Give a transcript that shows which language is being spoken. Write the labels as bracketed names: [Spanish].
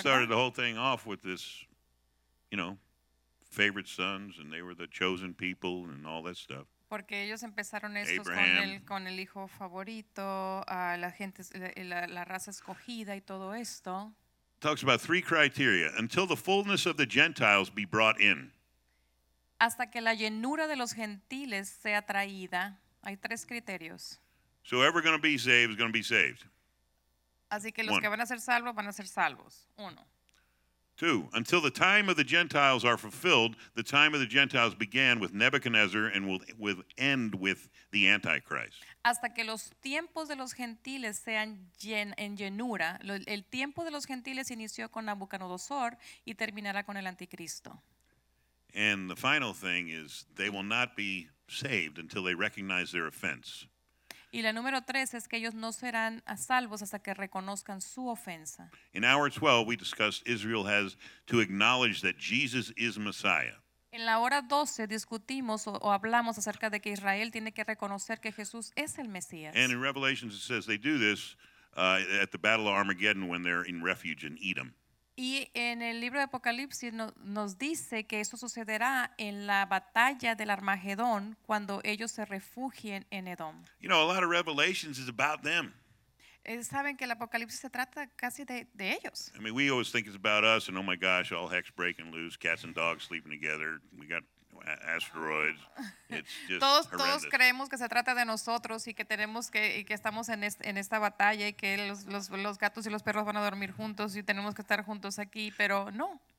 [English] Started the whole thing off with this, you know, favorite sons, and they were the chosen people and all that stuff. [Spanish] Porque ellos empezaron estos con el hijo favorito, la gente, la raza escogida y todo esto. [English] Talks about three criteria. Until the fullness of the Gentiles be brought in. [Spanish] Hasta que la llenura de los gentiles sea traída. Hay tres criterios. [English] So whoever going to be saved is going to be saved. [Spanish] Así que los [English] One. [Spanish] Que van a ser salvos van a ser salvos. Uno. [English] Two. Until the time of the Gentiles are fulfilled, the time of the Gentiles began with Nebuchadnezzar and will end with the Antichrist. [Spanish] Hasta que los tiempos de los gentiles sean en llenura, el tiempo de los gentiles inició con Nabucodonosor y terminará con el Anticristo. [English] And the final thing is they will not be saved until they recognize their offense. [Spanish] Y la número tres es que ellos no serán a salvos hasta que reconozcan su ofensa. [English] In hour 12, we discussed Israel has to acknowledge that Jesus is Messiah. [Spanish] En la hora 12 discutimos o hablamos acerca de que Israel tiene que reconocer que Jesús es el Mesías. [English] And in Revelation it says they do this at the Battle of Armageddon when they're in refuge in Edom. [Spanish] Y en el libro de Apocalipsis nos dice que eso sucederá en la batalla del Armagedón cuando ellos se refugien en Edom. [English] You know, a lot of revelations is about them. [Spanish] Saben que el Apocalipsis se trata casi de ellos. [English] I mean, we always think it's about us and oh my gosh, all heck's breaking loose, cats and dogs sleeping together, we got asteroids. [Spanish] Todos creemos que se trata de nosotros y que tenemos que estamos en esta batalla y que los gatos y los perros van a dormir juntos y tenemos que estar juntos aquí, pero no.